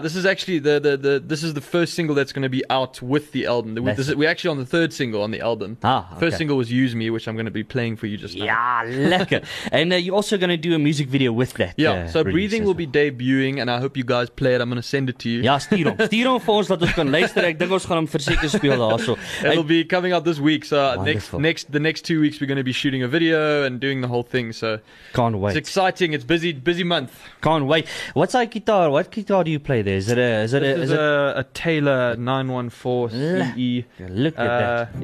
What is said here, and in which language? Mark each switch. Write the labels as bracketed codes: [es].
[en] This is actually this is the first single that's going to be out with the album. We're actually on the third single on the album. First single was Use Me, which I'm going to be playing for you just now. Yeah, lekker. And you're also going to do a music video with that. Yeah. So Breathing will be debuting, and I hope you guys play it. I'm going to send it to you. [af] Yeah, stuur hom vir ons dat ons kan luister. Ek dink ons gaan hom verseker speel daarso. [en] It'll be coming out this week. So next 2 weeks we're going to be shooting a video and doing the whole thing. So can't wait. It's exciting. It's busy month. Can't wait. What's our guitar? What guitar do you play there? Is it a Taylor 914 CE? Look at that.